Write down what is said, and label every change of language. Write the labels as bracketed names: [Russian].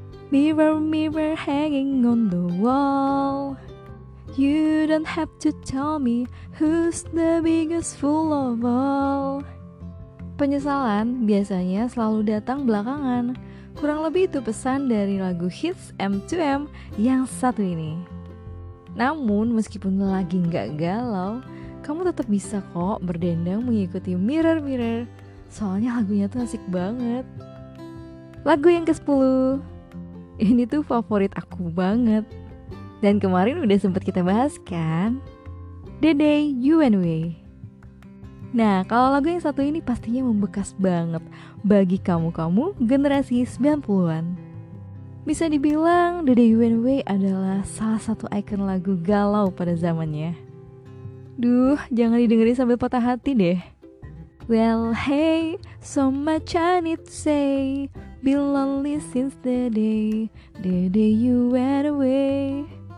[English] Mirror, mirror hanging on the wall, you don't have to tell me who's the biggest fool of all. [Indonesian] Penyesalan biasanya selalu datang belakangan. Kurang lebih itu pesan dari lagu hits M2M yang satu ini. Namun meskipun lagi gak galau, kamu tetap bisa kok berdendang mengikuti Mirror Mirror. Soalnya lagunya tuh asik banget. Lagu yang ke-10, ini tuh favorit aku banget. Dan kemarin udah sempet kita bahas kan, The Day You Went Away. Nah, kalau lagu yang satu ini pastinya membekas banget bagi kamu-kamu generasi 90-an. Bisa dibilang The Day You Went Away adalah salah satu ikon lagu galau pada zamannya. Duh, jangan didengerin sambil patah hati deh. [English] Well, hey, so much I need to say, been lonely since the day you went away.